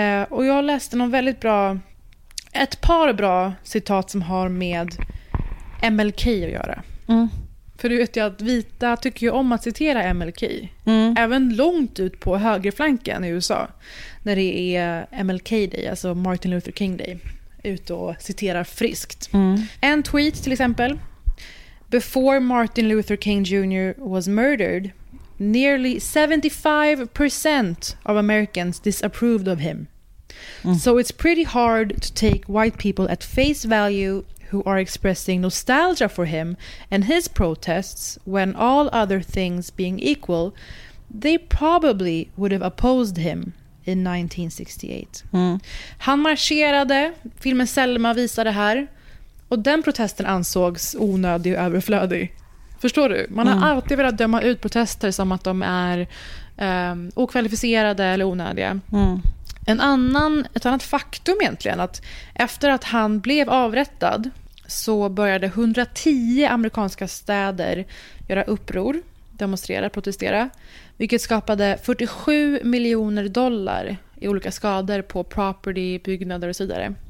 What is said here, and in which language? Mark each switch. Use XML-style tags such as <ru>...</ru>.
<sv>Och jag läste någon väldigt bra, ett par bra citat som har med MLK att göra. Mm. För du vet ju att vita tycker ju om att citera MLK. Mm. Även långt ut på högerflanken i USA. När det är MLK Day, alltså Martin Luther King Day, ut och citerar friskt. Mm. En tweet till exempel.</sv> <en>Before Martin Luther King Jr. was murdered, nearly 75% of Americans disapproved of him. Mm. So it's pretty hard to take white people at face value who are expressing nostalgia for him and his protests when all other things being equal, they probably would have opposed him in 1968. Mm.</en> <sv>Han marscherade, filmen Selma visar det här, och den protesten ansågs onödig och överflödig. Förstår du? Man har alltid velat döma ut protester som att de är okvalificerade eller onödiga. Mm. Ett annat faktum egentligen, att efter att han blev avrättad så började 110 amerikanska städer göra uppror, demonstrera, protestera, vilket skapade $47 miljoner i olika skador på property, byggnader och så vidare.</sv>